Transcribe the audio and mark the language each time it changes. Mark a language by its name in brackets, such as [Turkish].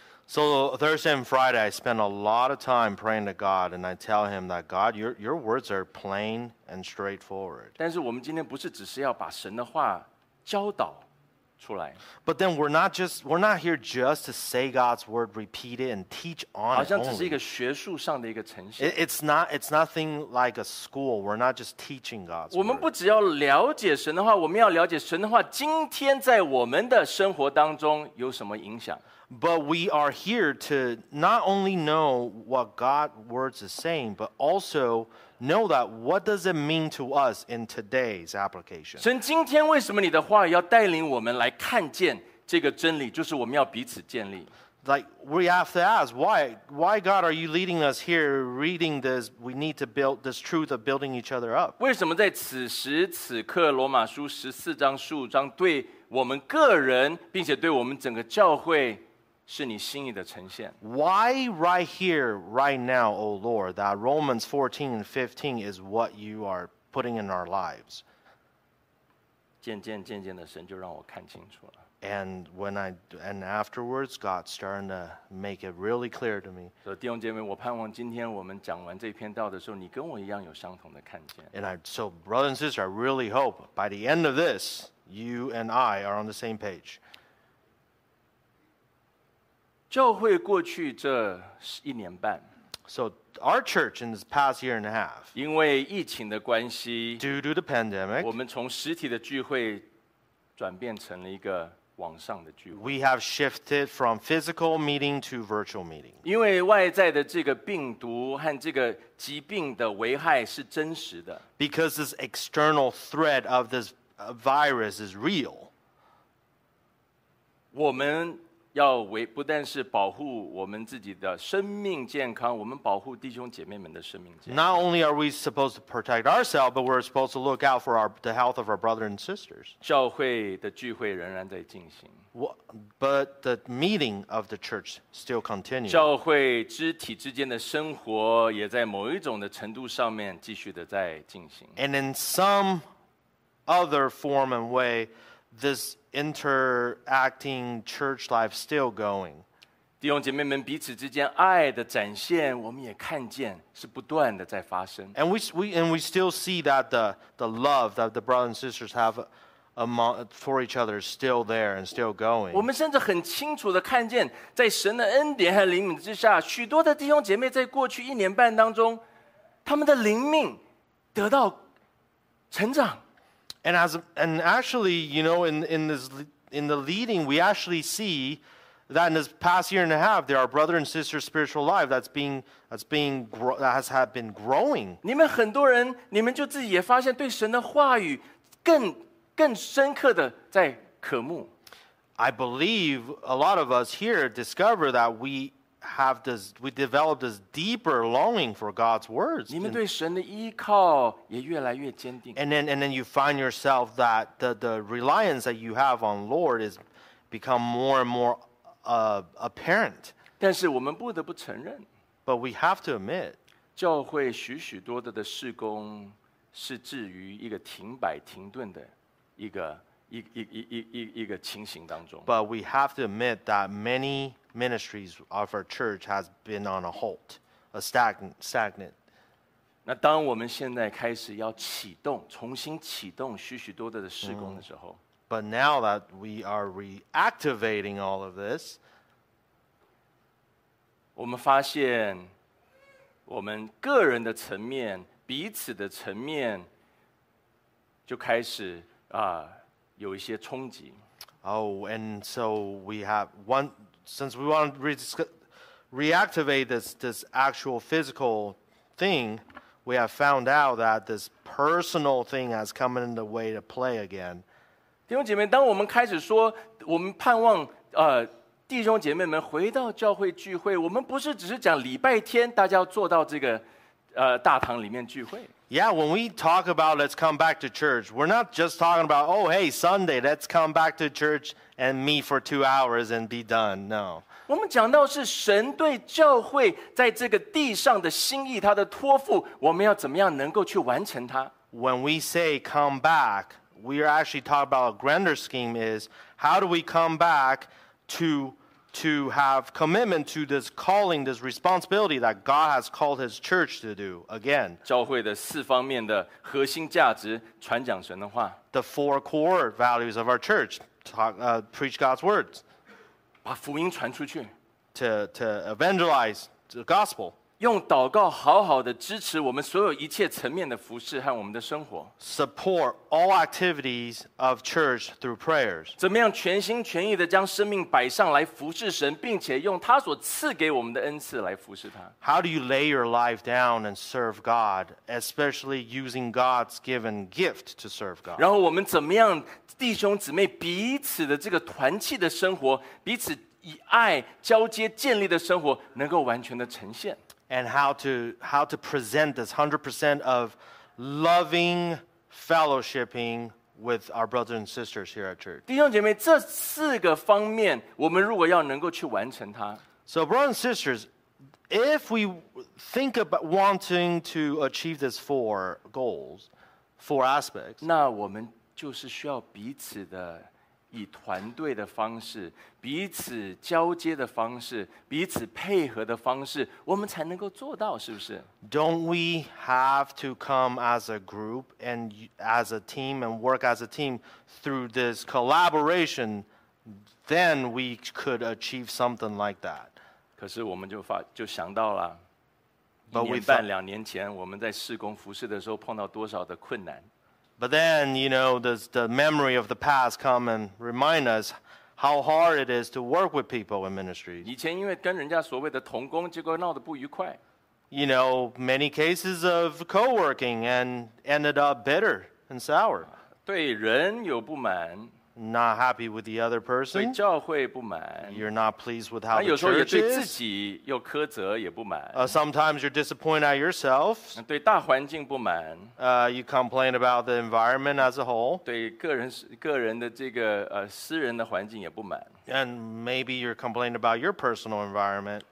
[English] So Thursday and Friday I spend a lot of time praying to God and I tell him that God your words are plain and straightforward. [Chinese] 但是我们今天不是只是要把神的话教导出来。 [English] But then we're not here just to say God's word, repeat it and teach on it. [Chinese] 好像只是一个学术上的一个呈现。 [English] It's nothing like a school. We're not just teaching God's word. [Chinese] 我们不只要了解神的话，我们要了解神的话今天在我们的生活当中有什么影响。 [English] But we are here to not only know what God's words is saying, but also know that what does it mean to us in today's application? [Chinese] 神今天为什么你的话要带领我们来看见这个真理，就是我们要彼此建立。 [English] like we have to ask, why God are you leading us here reading this? We need to build this truth of building each other up. [Chinese] 为什么在此时此刻罗马书十四章十五章对我们个人并且对我们整个教会是你心意的呈现？ [English] Why right here, right now, O Lord, that Romans 14 and 15 is what you are putting in our lives? [Chinese] 渐渐的神就让我看清楚了。 [English] And when I and afterwards, God started to make it really clear to me. [Chinese] So, 弟兄姐妹，我盼望今天我们讲完这篇道的时候，你跟我一样有相同的看见。 [English] And I, so, brothers and sisters, I really hope by the end of this, you and I are on the same page. [Chinese] 教会过去这一年半。 [English] So, our church in this past year and a half. [Chinese] 因为疫情的关系。 [English] Due to the pandemic. [Chinese] 我们从实体的聚会转变成了一个。 [English] We have shifted from physical meeting to virtual meeting. [Chinese] 因为外在的这个病毒和这个疾病的危害是真实的。 [English] Because this external threat of this virus is real. [Chinese] 我们要为不但是保护我们自己的生命健康，我们保护弟兄姐妹们的生命健康。 [English] Not only are we supposed to protect ourselves, but we're supposed to look out for our, the health of our brothers and sisters. [Chinese] 教会的聚会仍然在进行。 [English] But the meeting of the church still continues. [Chinese] 教会肢体之间的生活也在某一种的程度上面继续的在进行。 [English] And in some other form and way, this interacting church life still going. [Chinese] 弟兄姐妹们彼此之间爱的展现，我们也看见是不断的在发生。 [English] And we still see that the love that the brothers and sisters have among for each other is still there and still going. [Chinese] 我们甚至很清楚的看见，在神的恩典和怜悯之下，许多的弟兄姐妹在过去一年半当中，他们的灵命得到成长。 [English] And as and actually, you know, in the leading, we actually see that in this past year and a half, there are brother and sister spiritual life that has been growing. [Chinese] 你们很多人，你们就自己也发现对神的话语更深刻的在渴慕。 [English] I believe a lot of us here discover that we developed this deeper longing for God's words. [Chinese] 你们对神的依靠也越来越坚定。 [English] And then you find yourself that the reliance that you have on Lord is become more and more apparent. [Chinese] 但是我们不得不承认。 [English] But we have to admit. [Chinese] 教会许许多多的事工是置于一个停摆停顿的一个情形当中。 [English] But we have to admit that many ministries of our church has been on a halt, a stagnant. [Chinese] 那当我们现在开始要启动，重新启动许许多多的事工的时候。 [English] But now that we are reactivating all of this, [Chinese] 我们发现我们个人的层面，彼此的层面就开始有一些冲击。 [English] Oh, and so we have one, since we want to reactivate this actual physical thing, we have found out that this personal thing has come in the way to play again. [Chinese] 弟兄姐妹，当我们开始说，我们盼望弟兄姐妹们回到教会聚会，我们不是只是讲礼拜天大家要坐到这个大堂里面聚会。 [English] Yeah, when we talk about let's come back to church, we're not just talking about, oh, hey, Sunday, let's come back to church and meet for 2 hours and be done. No. [Chinese] 我们讲到是神对教会在这个地上的心意，他的托付，我们要怎么样能够去完成它。 [English] When we say come back, we are actually talking about a grander scheme is how do we come back to have commitment to this calling, this responsibility that God has called His church to do again. [Chinese] 教会的四方面的核心价值，传讲神的话。 [English] The four core values of our church, preach God's words. [Chinese] 把福音传出去。 [English] To evangelize the gospel. [Chinese] 用祷告好好的支持我们所有一切层面的服事和我们的生活。 [English] Support all activities of church through prayers. [Chinese] 怎么样全心全意的将生命摆上来服事神，并且用他所赐给我们的恩赐来服事他。 [English] How do you lay your life down and serve God, especially using God's given gift to serve God? [Chinese] 然后我们怎么样弟兄姊妹彼此的这个团契的生活，彼此以爱交接建立的生活能够完全的呈现。 [English] And how to present this 100% of loving fellowshipping with our brothers and sisters here at church. [Chinese] 弟兄姐妹，这四个方面，我们如果要能够去完成它。 [English] So brothers and sisters, if we think about wanting to achieve these four goals, four aspects, [Chinese] 那我们就是需要彼此的以团队的方式，彼此交接的方式，彼此配合的方式，我们才能够做到，是不是？ [English] Don't we have to come as a group and as a team and work as a team through this collaboration? Then we could achieve something like that. [Chinese] 可是我们就想到了，一年半两年前我们在事工服事的时候碰到多少的困难。 [English] But then, you know, the memory of the past come and remind us how hard it is to work with people in ministry. [Chinese] 以前因为跟人家所谓的同工，结果闹得不愉快。 [English] You know, many cases of co-working and ended up bitter and sour. [Chinese] 对人有不满。 [English] Not happy with the other person. [Chinese] 对教会不满。 [English] You're not pleased with how the church is. [Chinese] 有时候也对自己又苛责也不满。 [English] Sometimes you're disappointed at yourself. [Chinese] 对大环境不满。 [English] You complain about the environment as a whole. [Chinese] 对个人的这个私人的环境也不满。 [English] And maybe you're complaining about your personal environment.